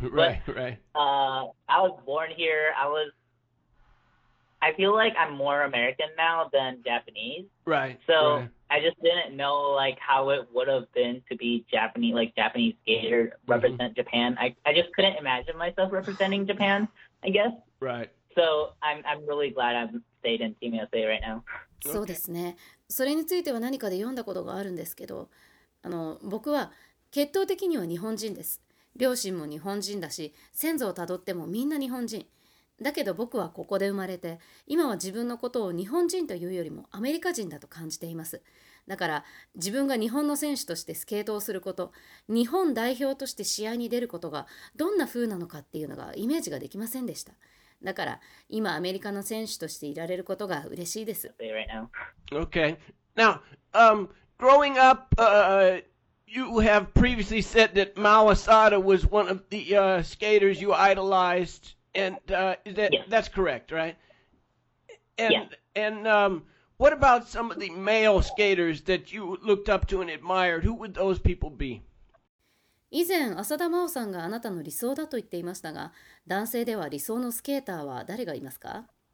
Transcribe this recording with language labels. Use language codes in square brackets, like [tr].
[en] I was born here. I feel like I'm more American now than Japanese. Right. So right. I just didn't know like how it would have been to be Japanese, like Japanese skater, represent Japan. I just couldn't imagine myself representing Japan, I guess. Right. So I'm really glad I'm stayed in Team USA right now. [ja] そうですね。それについては何かで読んだことがあるんですけど、僕は血統的には日本人です。両親も日本人だし、先祖をたどってもみんな日本人。だけど僕はここで生まれて、今は自分のことを日本人というよりもアメリカ人だと感じています。だから自分が日本の選手としてスケートをすること、日本代表として試合に出ることがどんな風なのかっていうのがイメージができませんでした。だから今アメリカの選手としていられることが嬉しいです。 [en] Okay. Now, growing up, you have previously said that Mao Asada was one of the skaters you idolized, and that's correct, right? And what about some of the male skaters that you looked up to and admired? Who would those people be? [ja] 以前、浅田真央さんがあなたの理想だと言っていましたが、男性では理想のスケーターは誰がいますか？